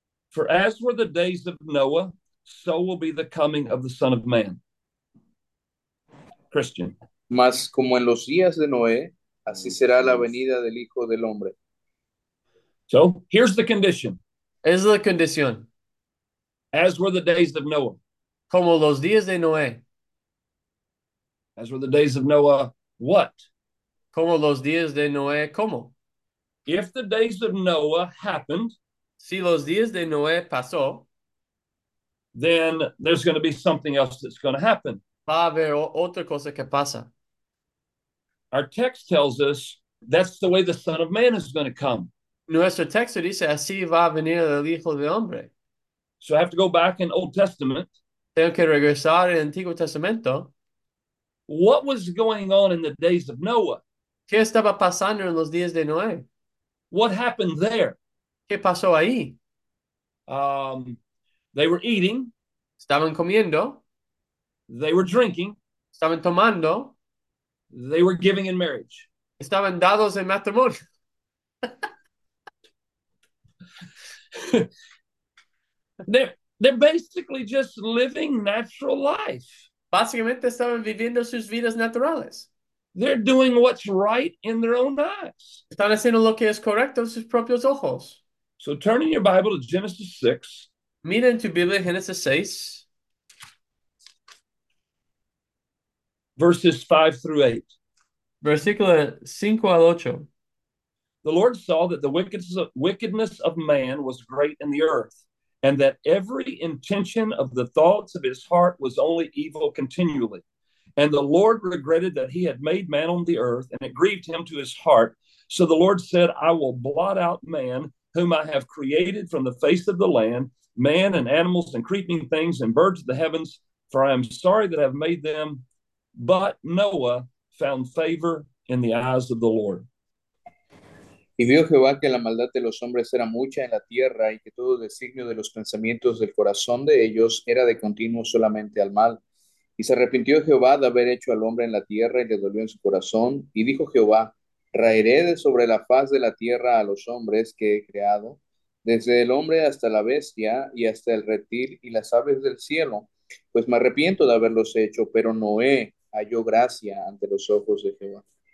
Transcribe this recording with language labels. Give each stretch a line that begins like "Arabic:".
English: For as were the days of Noah, so will be the coming of the Son of Man. Christian.
Spanish: Mas como en los días de Noé, así será la venida del Hijo del Hombre.
English: So here's the condition.
Spanish: Es la condición.
English: As were the days of Noah.
Spanish: Como los días de Noé.
English: As were the days of Noah, what?
Spanish: Como los días de Noé, ¿cómo?
English: If the days of Noah happened,
Spanish: Si los días de Noé pasó,
English: then there's going to be something else that's going to happen.
Spanish: va a haber otra cosa que pasa.
English: Our text tells us that's the way the Son of Man is going to come.
Spanish: Nuestro texto dice, así va a venir el Hijo del Hombre.
English: So I have to go back in Old Testament.
Spanish: Tengo que regresar al Antiguo Testamento.
English: What was going on in the days of Noah?
Spanish: ¿Qué estaba pasando en los días de Noé?
English: What happened there?
Spanish: ¿Qué pasó ahí?
English: They were eating.
Spanish: Estaban comiendo.
English: They were drinking.
Spanish: Estaban tomando.
English: They were giving in marriage.
Spanish: Estaban dados en matrimonio.
English: They're basically just living natural life.
Spanish: Básicamente estaban viviendo sus vidas naturales.
English: They're doing what's right in their own eyes.
Spanish: Están haciendo lo que es correcto en sus propios ojos.
English: So turn in your Bible to Genesis 6.
Spanish: Miren tu Biblia, Génesis 6.
English: Verses 5 through 8.
Spanish: Versículo 5 al 8.
English: The Lord saw that the wickedness of man was great in the earth, and that every intention of the thoughts of his heart was only evil continually. And the Lord regretted that he had made man on the earth, and it grieved him to his heart. So the Lord said, I will blot out man, whom I have created from the face of the land, man and animals and creeping things and birds of the heavens, for I am sorry that I have made them. But Noah found favor in the eyes of the Lord.
Spanish: Y vio Jehová que la maldad de los hombres era mucha en la tierra y que todo designio de los pensamientos del corazón de ellos era de continuo solamente al mal. Y se arrepintió Jehová de haber hecho al hombre en la tierra y le dolió en su corazón. Y dijo Jehová, raeré de sobre la faz de la tierra a los hombres que he creado, desde el hombre hasta la bestia y hasta el reptil y las aves del cielo, pues me arrepiento de haberlos hecho, pero Noé halló gracia ante los ojos de Jehová.